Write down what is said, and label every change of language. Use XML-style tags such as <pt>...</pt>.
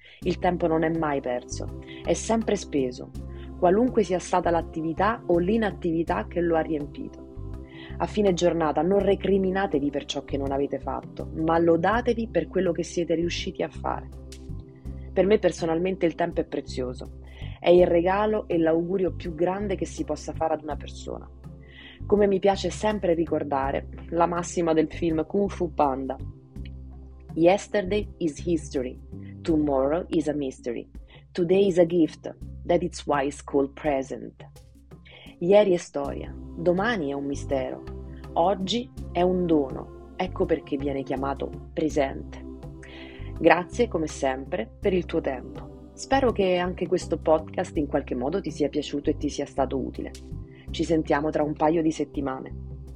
<it>Il tempo non è mai perso, è sempre speso, qualunque sia stata l'attività o l'inattività che lo ha riempito. A fine giornata non recriminatevi per ciò che non avete fatto, ma lodatevi per quello che siete riusciti a fare. Per me personalmente il tempo è prezioso, è il regalo e l'augurio più grande che si possa fare ad una persona. Come mi piace sempre ricordare la massima del film</it> <en>Kung Fu Panda: yesterday is history, tomorrow is a mystery, today is a gift, that is why it's called present.</en> <it>Ieri è storia, domani è un mistero, oggi è un dono, ecco perché viene chiamato presente. Grazie, come sempre, per il tuo tempo. Spero che anche questo podcast in qualche modo ti sia piaciuto e ti sia stato utile. Ci sentiamo tra un paio di settimane.</it>